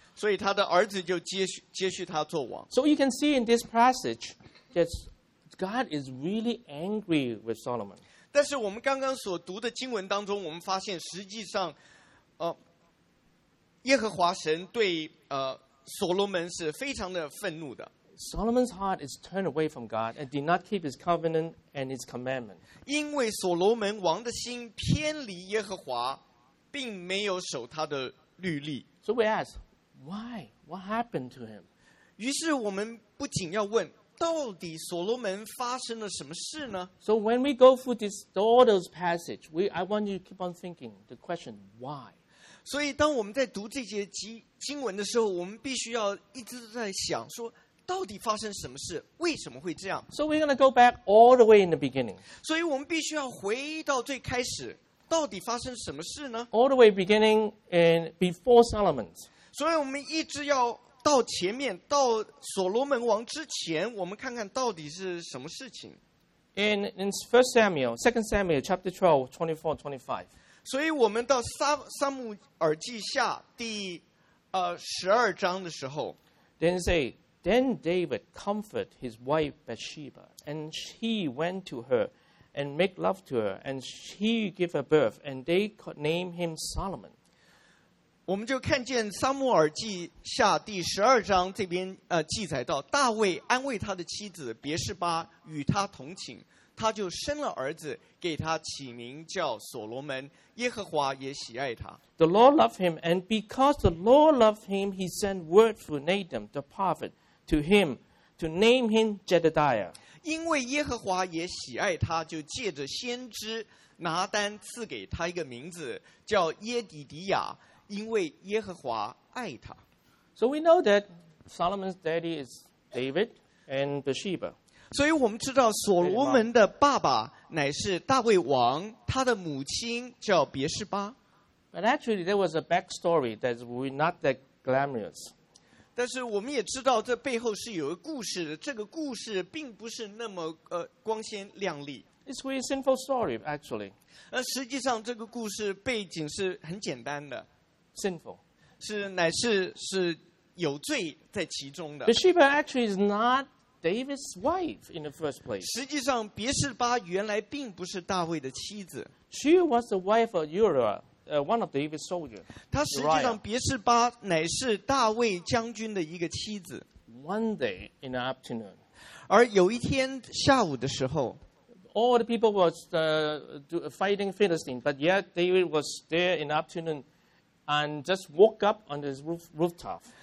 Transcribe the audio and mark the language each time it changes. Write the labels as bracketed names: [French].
[Chinese] 所以他的儿子就接续他做王。 [English] So you can see in this passage that God is really angry with Solomon. [Chinese] 但是我们刚刚所读的经文当中，我们发现实际上，耶和华神对所罗门是非常的愤怒的。 [English] Solomon's heart is turned away from God and did not keep his covenant and his commandment. [Chinese] 因为所罗门王的心偏离耶和华，并没有守他的律例。 [English] So we ask, why? What happened to him? [Chinese] 于是我们不仅要问，到底所罗门发生了什么事呢？ [English] So when we go through this, all those passage, I want you to keep on thinking the question, why? [Chinese] 所以当我们在读这些经文的时候，我们必须要一直在想说到底发生什么事？为什么会这样 [English] ？So we're going to go back all the way in the beginning. [Chinese] 所以我们必须要回到最开始，到底发生什么事呢 [English] ？All the way beginning and before Solomon. [Chinese] 所以我们一直要到前面，到所罗门王之前，我们看看到底是什么事情。 [English] In First Samuel, Second Samuel, Chapter 12:24-25. [Chinese] 所以我们到撒母耳记下第十二章的时候 [English] ，Then say. Then David comforted his wife Bathsheba, and he went to her, and make love to her, and he gave her birth, and they named him Solomon. [Chinese] 我们就看见撒母耳记下第十二章这边记载到大卫安慰他的妻子别示巴与他同寝他就生了儿子给他起名叫所罗门耶和华也喜爱他 [English] The Lord loved him and because the Lord loved him he sent word for Nathan the prophet to him to name him Jedidiah [Chinese] 因为耶和华也喜爱他就借着先知拿单赐给他一个名字叫耶底底亚因为耶和华爱他 [English] So we know that Solomon's daddy is David and Bathsheba [Chinese] 所以我们知道所罗门的爸爸乃是大卫王他的母亲叫别示巴 [English] But actually there was a backstory that was not that glamorous [Chinese] 但是我们也知道这背后是有一个故事的这个故事并不是那么光鲜亮丽 [English] It's a very simple story actually [Chinese] 实际上这个故事背景是很简单的 [English] Sinful. [Chinese] 是乃是是有罪在其中的。 [English] Bathsheba actually is not David's wife in the first place. [Chinese] 实际上别示巴原来并不是大卫的妻子。 [English] She was the wife of Uriah, one of David's soldiers. [Chinese] 她实际上别示巴乃是大卫将军的一个妻子。 [English] One day in the afternoon. [Chinese] 而有一天下午的时候 [English] All the people was fighting Philistines, but yet David was there in the afternoon. And just walk up on this rooftop.